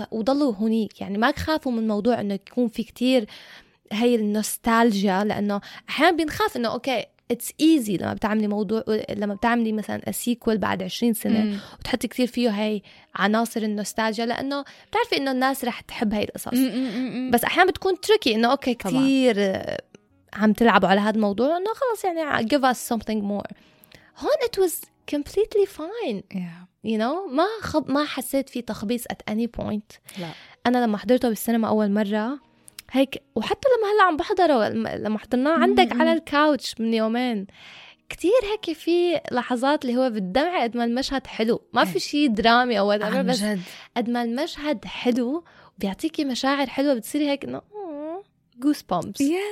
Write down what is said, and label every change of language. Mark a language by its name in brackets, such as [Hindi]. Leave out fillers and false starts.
[Arabic] وضلوا هونيك يعني ما تخافوا من موضوع انه يكون في كتير هاي النوستالجيا, لانه احيانا بنخاف انه [English] okay it's easy [Arabic] لما بتعملي موضوع لما بتعملي مثلا السيكول بعد 20 سنة وتحطي كتير فيه هاي عناصر النوستالجيا لانه بتعرفي انه الناس رح تحب هاي القصص. بس احيانا بتكون تريكي انه اوكي كتير عم تلعبوا على هذا الموضوع انه خلاص يعني [English] give us something more. [Arabic] هون [English] it was completely fine. Yeah. You know, [Arabic] ما حسيت في تخبيص [English] at any point. [Arabic] لا. أنا لما حضرته بالسينما أول مرة هيك, وحتى لما هلا عم بحضره لما حضرناه عندك على الكاوتش من يومين كتير هيك في لحظات اللي هو بالدمع قد ما المشهد حلو. ما في شيء درامي أو [English] whatever, [Arabic] بس قد ما المشهد حلو بيعطيكي مشاعر حلوة بتصيري هيك إنه goosebumps.